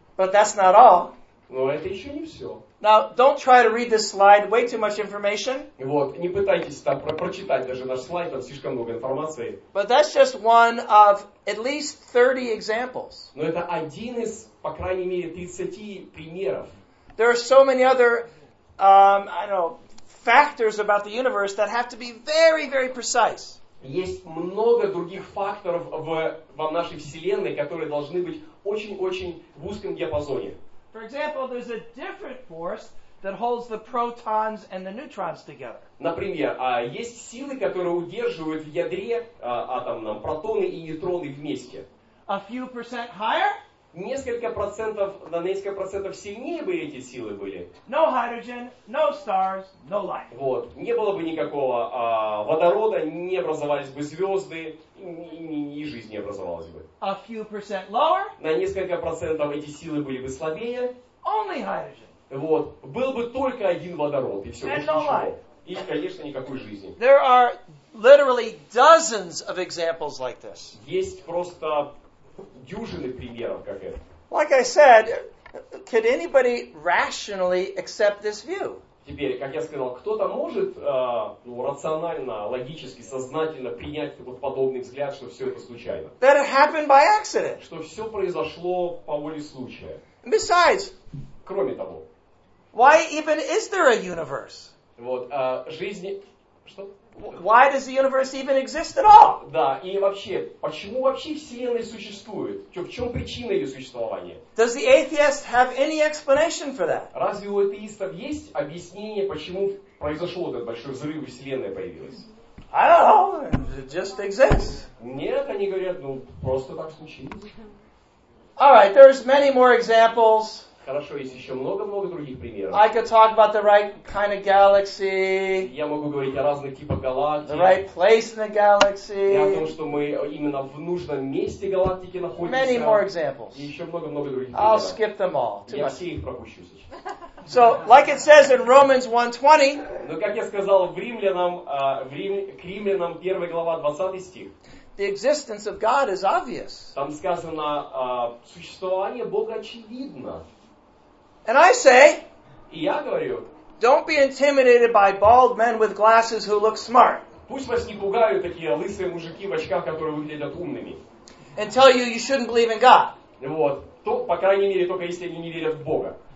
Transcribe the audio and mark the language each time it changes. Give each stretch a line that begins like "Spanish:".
English: But that's not all.
Russian: Но это еще не все.
English: Now, don't try to read this slide. Way too much information.
Russian: Вот, не пытайтесь там прочитать даже наш слайд, там слишком много информации.
English: But that's just one of at least 30 examples.
Russian: Но это один из, по крайней мере, 30 примеров.
English: There are so many other, I don't know, factors about the universe that have to be very, very precise.
Russian: Есть много других факторов в нашей Вселенной, которые должны быть очень-очень в узком диапазоне.
English: For example, there's a different force that holds the protons and the neutrons together.
Russian: Например, есть силы, которые удерживают в ядре атомном протоны и нейтроны вместе.
English: A few percent higher?
Russian: Несколько процентов, на несколько процентов сильнее бы эти силы были.
English: No hydrogen, no stars, no life.
Russian: Вот, не было бы никакого водорода, не образовались бы звезды, и жизнь не образовалась бы.
English: A few percent lower.
Russian: На несколько процентов эти силы были бы слабее.
English: Only hydrogen.
Russian: Вот. Был бы только один водород, и все, и, конечно, никакой жизни.
English: There are literally dozens of examples like this.
Russian: Есть просто дюжины примеров, как это.
English: Like I said, could anybody rationally accept this view?
Russian: Теперь, как я сказал, кто-то может ну, рационально, логически, сознательно принять вот подобный взгляд, что все это случайно?
English: That it happened by accident.
Russian: Что все произошло по воле случая.
English: Besides,
Russian: кроме того,
English: why even is there a universe?
Russian: Вот, жизни... Что?
English: Why does the universe even exist at all?
Russian: Да, и вообще, почему вообще Вселенная существует? В чем причина ее существования?
English: Does the atheist have any explanation for that?
Russian: Разве у атеистов есть объяснение, почему произошел этот большой взрыв, и Вселенная появилась?
English: I don't know, it just exists.
Russian: Нет, они говорят, ну, просто так случилось.
English: All right, there's many more examples.
Russian: Хорошо, есть еще много-много других примеров.
English: I could talk about the right kind of galaxy.
Russian: Я могу говорить о разных типах галактик.
English: The right place in the galaxy.
Russian: И о том, что мы именно в нужном месте галактики находимся.
English: Many more examples.
Russian: И еще много-много других примеров.
English: I'll skip them all.
Russian: Я все их пропущу сейчас.
English: So, like it says in Romans 1:20.
Russian: Но как я сказал в Римлянам, к Римлянам 1 глава 20 стих.
English: The existence of God is obvious.
Russian: Там сказано, существование Бога очевидно.
English: And I say,
Russian: и я говорю,
English: don't be intimidated by bald men with glasses who look smart.
Russian: Пусть вас не пугают такие лысые мужики в очках, которые выглядят умными.
English: And tell you you shouldn't believe in God.
Russian: Вот. То, по крайней мере, только если они не верят в Бога.